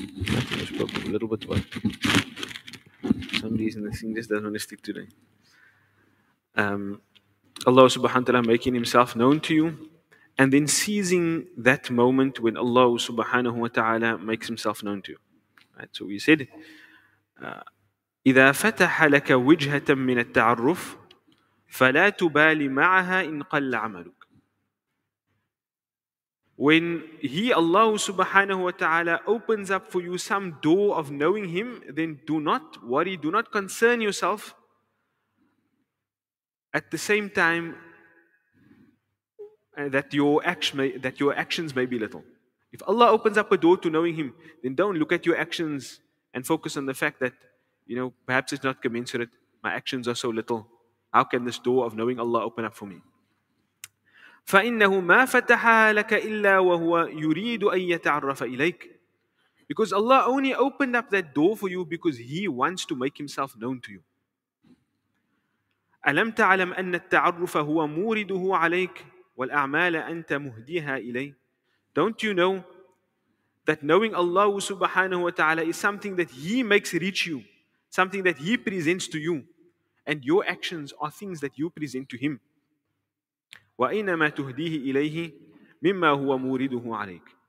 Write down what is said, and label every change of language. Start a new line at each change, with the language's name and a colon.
English: I spoke a little bit about it. For some reason the thing just doesn't want to stick today. Allah subhanahu wa ta'ala making himself known to you, and then seizing that moment when Allah subhanahu wa ta'ala makes himself known to you. Right? So we said,
Arabic: إِذَا فَتَحَ لَكَ وِجْهَةً مِّنَ التَّعَرُّفِ فَلَا تُبَالِ مَعَهَا إِنْ قَلَّ عَمَلُكَ.
English: When Allah subhanahu wa ta'ala opens up for you some door of knowing him, then do not worry, do not concern yourself. At the same time, that your actions may be little. If Allah opens up a door to knowing him, then don't look at your actions and focus on the fact that, you know, perhaps it's not commensurate. My actions are so little. How can this door of knowing Allah open up for me?
Arabic: فَإِنَّهُ مَا فَتَحَا لَكَ إِلَّا وَهُوَ يُرِيدُ أَن يَتَعْرَّفَ إِلَيْكَ.
English: Because Allah only opened up that door for you because he wants to make himself known to you.
Arabic: ألم تعلم أن التعرف هو مورده عليك والأعمال أنت مهديها إليه.
English: Don't you know that knowing Allah subhanahu wa ta'ala is something that he makes reach you, something that he presents to you, and your actions are things that you present to him.
Arabic: وإنما تهديه إليه مما هو مورده عليك.